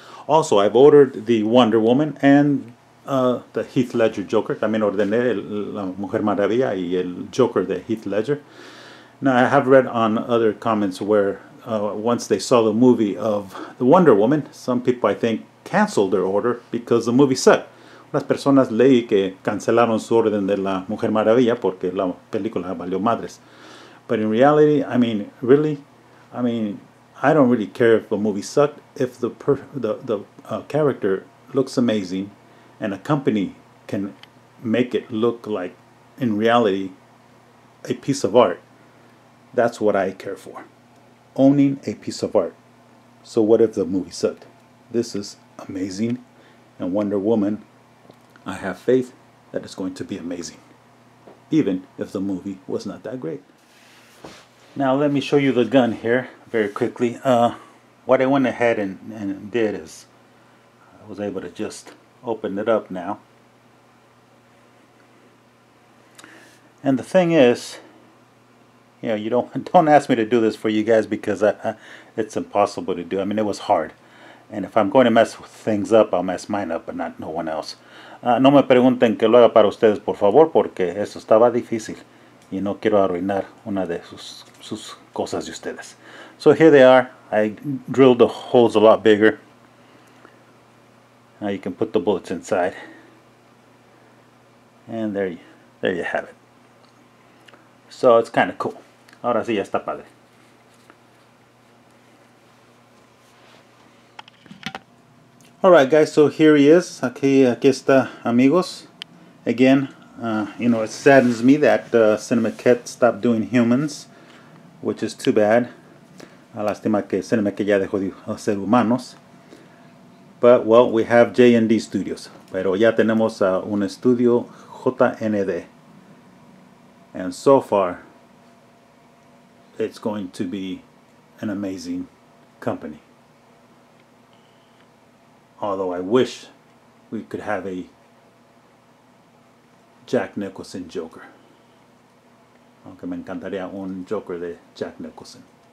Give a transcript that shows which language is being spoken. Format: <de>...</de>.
<en>Also, I've ordered the Wonder Woman and the Heath Ledger Joker.</en> <es>También ordené la Mujer Maravilla y el Joker de Heath Ledger.</es> <en>Now, I have read on other comments where once they saw the movie of the Wonder Woman, some people, I think, canceled their order because the movie sucked.</en> <es>Las personas leí que cancelaron su orden de la Mujer Maravilla porque la película valió madres.</es> <en>But in reality, I mean, really? I mean, I don't really care if a movie sucked. If the character looks amazing and a company can make it look like, in reality, a piece of art, that's what I care for. Owning a piece of art. So what if the movie sucked? this is amazing. And Wonder Woman, I have faith that it's going to be amazing, even if the movie was not that great. Now let me show you the gun here very quickly. What I went ahead and did is I was able to just open it up now. And the thing is, you know, you don't ask me to do this for you guys because it's impossible to do. I mean, it was hard. And if I'm going to mess things up, I'll mess mine up, but not no one else.</en> <es>No me pregunten que lo haga para ustedes, por favor, porque eso estaba difícil. Y no quiero arruinar una de sus cosas de ustedes.</es> <en>So here they are. I drilled the holes a lot bigger. Now you can put the bullets inside. And there you have it. So it's kind of cool.</en> <es>Ahora sí, ya está padre.</es> <en>Alright guys, so here he is.</en> <es>Aquí está, amigos.</es> <en>Again, you know, it saddens me that CinemaKit stopped doing humans, which is too bad.</en> <es>Lástima que CinemaKit ya dejó de hacer humanos.</es> <en>But, well, we have J&D Studios.</en> <es>Pero ya tenemos un estudio JND.</es> <en>And so far, it's going to be an amazing company. Although I wish we could have a Jack Nicholson Joker.</en> <es>Aunque me encantaría un Joker de Jack Nicholson.</es>